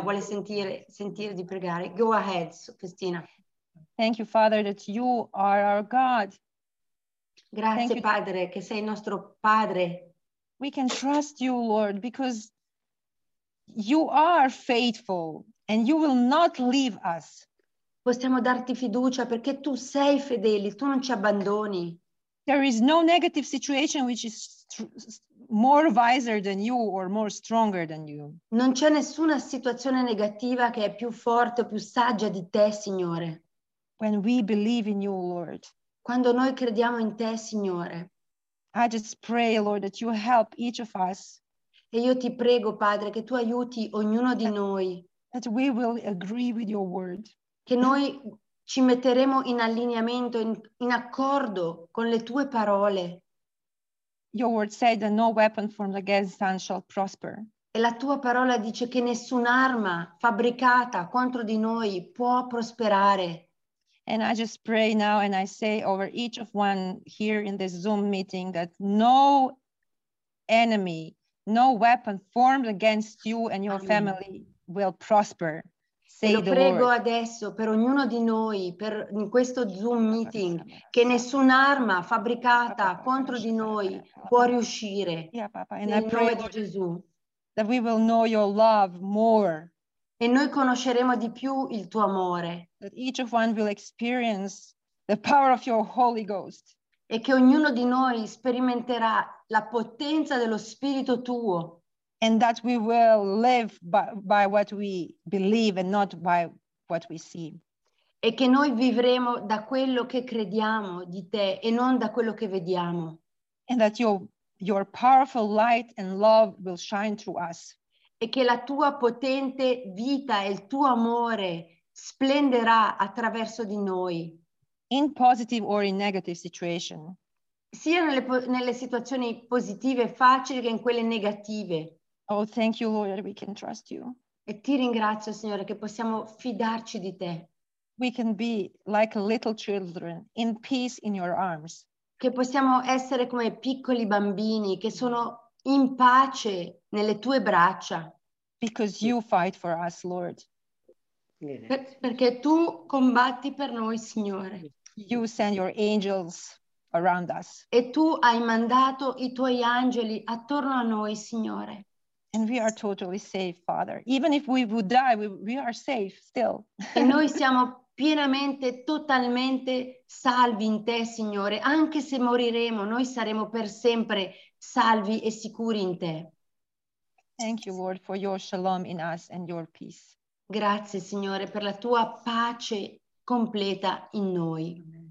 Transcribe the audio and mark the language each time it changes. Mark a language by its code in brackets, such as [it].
[it] Vuole sentire di pregare. [en] Go ahead, [it] Cristina. [en] Thank you, Father, that you are our God. [it] Grazie, [en] thank [it] Padre, [en] you. [it] Che sei nostro Padre. [en] We can trust you, Lord, because you are faithful and you will not leave us. [it] Possiamo darti fiducia perché tu sei fedele, tu non ci abbandoni. [en] There is no negative situation which is more wiser than you or more stronger than you. [it] Non c'è nessuna situazione negativa che è più forte o più saggia di te, Signore. [en] When we believe in you, Lord. [it] Quando noi crediamo in te, Signore. [en] I just pray, Lord, that you help each of us. [it] E io ti prego, Padre, che tu aiuti ognuno di noi. [en] That we will agree with your word. [it] Che noi ci metteremo in allineamento, in accordo con le tue parole. [en] Your word said that no weapon formed against us shall prosper. [it] E la tua parola dice che nessun'arma fabbricata contro di noi può prosperare. [en] And I just pray now and I say over each of one here in this Zoom meeting that no enemy, no weapon formed against you and your family will prosper. [it] E lo prego adesso per ognuno di noi, per in questo Zoom meeting, che nessun'arma fabbricata contro di noi può riuscire. Nel nome di Gesù. [en] That we will know your love more. [it] E noi conosceremo di più il tuo amore. [en] That each of one will experience the power of your Holy Ghost. [it] E che ognuno di noi sperimenterà la potenza dello Spirito tuo. [en] And that we will live by what we believe and not by what we see. [it] E che noi vivremo da quello che crediamo di te e non da quello che vediamo. [en] And that your powerful light and love will shine through us. [it] E che la tua potente vita e il tuo amore splenderà attraverso di noi. [en] In positive or in negative situation. [it] Sia nelle situazioni positive facili che in quelle negative. [en] Oh, thank you, Lord, that we can trust you. [it] E ti ringrazio, Signore, che possiamo fidarci di te. [en] We can be like little children, in peace in your arms. [it] Che possiamo essere come piccoli bambini che sono in pace nelle tue braccia. [en] Because you fight for us, Lord. [it] Perché tu combatti per noi, Signore. [en] You send your angels around us. [it] E tu hai mandato i tuoi angeli attorno a noi, Signore. [en] And we are totally safe, Father. Even if we would die, we are safe still. [it] E noi siamo pienamente, totalmente salvi in te, Signore. Anche se moriremo, noi saremo per sempre salvi e sicuri in te. [en] Thank you, Lord, for your shalom in us and your peace. [it] Grazie, Signore, per la tua pace completa in noi.